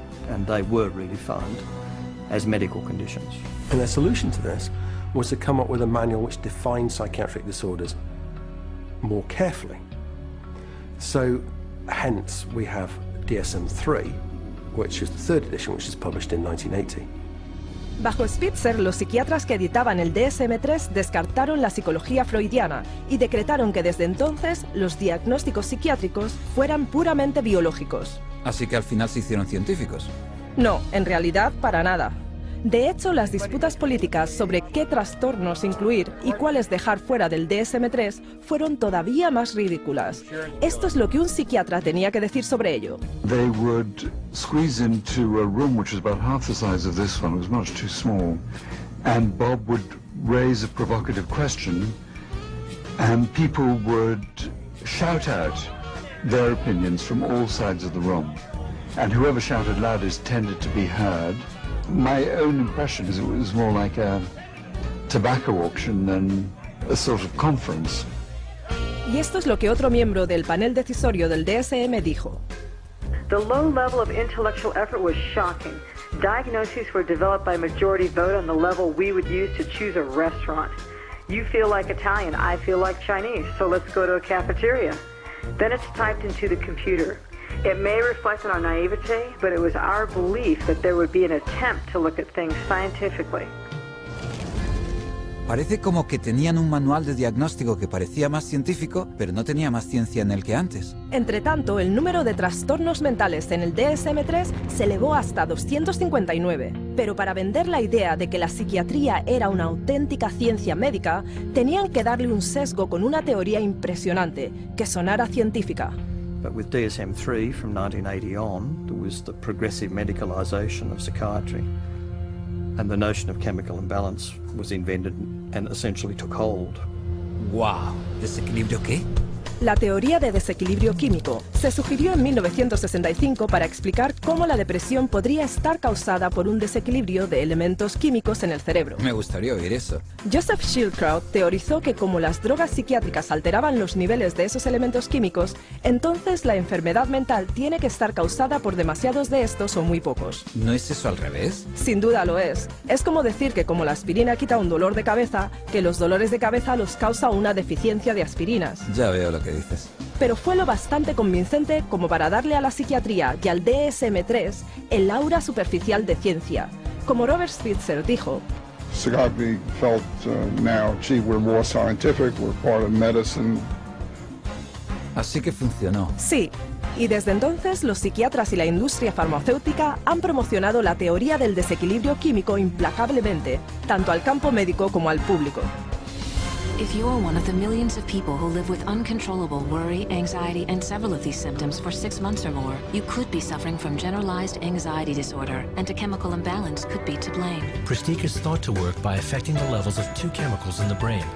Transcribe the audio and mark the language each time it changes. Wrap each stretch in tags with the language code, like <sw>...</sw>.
<en>And they were redefined as medical conditions. And their solution to this was to come up with a manual which defined psychiatric disorders more carefully. So hence we have DSM-3, which is the third edition, which is published in 1980.</en> <es>Bajo Spitzer, los psiquiatras que editaban el DSM-3 descartaron la psicología freudiana y decretaron que desde entonces los diagnósticos psiquiátricos fueran puramente biológicos. Así que al final se hicieron científicos. No, en realidad, para nada. De hecho, las disputas políticas sobre qué trastornos incluir y cuáles dejar fuera del DSM-3 fueron todavía más ridículas. Esto es lo que un psiquiatra tenía que decir sobre ello.</es> <en>They would squeeze into a room which is about half the size of this one. It was much too small. And Bob would raise a provocative question and people would shout out their opinions from all sides of the room. And whoever shouted loudest tended to be heard. My own impression is it was more like a tobacco auction than a sort of conference.</en> <es>Y esto es lo que otro miembro del panel decisorio del DSM dijo.</es> <en>The low level of intellectual effort was shocking. Diagnoses were developed by majority vote on the level we would use to choose a restaurant. You feel like Italian, I feel like Chinese, so let's go to a cafeteria. Then it's typed into the computer. It may reflect on our naivete, but it was our belief that there would be an attempt to look at things scientifically.</en> <es>Parece como que tenían un manual de diagnóstico que parecía más científico, pero no tenía más ciencia en él que antes. Entretanto, el número de trastornos mentales en el DSM-3 se elevó hasta 259. Pero para vender la idea de que la psiquiatría era una auténtica ciencia médica, tenían que darle un sesgo con una teoría impresionante, que sonara científica.</es> <en>But with DSM-3 from 1980 on, there was the progressive medicalization of psychiatry. And the notion of chemical imbalance was invented and essentially took hold.</en> <es>Wow, ¿desequilibrio qué? La teoría de desequilibrio químico se sugirió en 1965 para explicar cómo la depresión podría estar causada por un desequilibrio de elementos químicos en el cerebro. Me gustaría oír eso. Joseph Schildkraut teorizó que como las drogas psiquiátricas alteraban los niveles de esos elementos químicos, entonces la enfermedad mental tiene que estar causada por demasiados de estos o muy pocos. ¿No es eso al revés? Sin duda lo es. Es como decir que como la aspirina quita un dolor de cabeza, que los dolores de cabeza los causa una deficiencia de aspirinas. Ya veo lo que dices. Pero fue lo bastante convincente como para darle a la psiquiatría y al DSM-3 el aura superficial de ciencia. Como Robert Spitzer dijo,</es> <en>psychiatry felt now, gee, we're more scientific, we're part of medicine.</en> <es>Así que funcionó. Sí, y desde entonces los psiquiatras y la industria farmacéutica han promocionado la teoría del desequilibrio químico implacablemente, tanto al campo médico como al público.</es> <en>If you are one of the millions of people who live with uncontrollable worry, anxiety, and several of these symptoms for 6 months or more, you could be suffering from generalized anxiety disorder, and a chemical imbalance could be to blame. Prestique is thought to work by affecting the levels of two chemicals in the brain.</en>